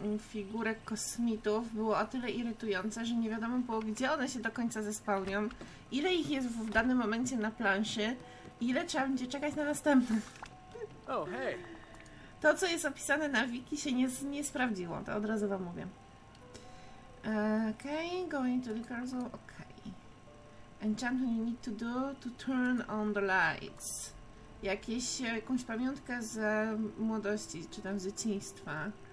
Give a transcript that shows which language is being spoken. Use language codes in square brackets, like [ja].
[pl] figurek kosmitów było o tyle irytujące, że nie wiadomo było, gdzie one się do końca zespełnią, ile ich jest w danym momencie na planszy, ile trzeba będzie czekać na następne. [en] Oh, hey. [pl] To, co jest opisane na wiki, się nie sprawdziło, to od razu wam mówię. [en] Okej, going to the castle, okej. Enchantment you need to do to turn on the lights. [pl] Jakąś pamiątkę z młodości, czy tam z dzieciństwa.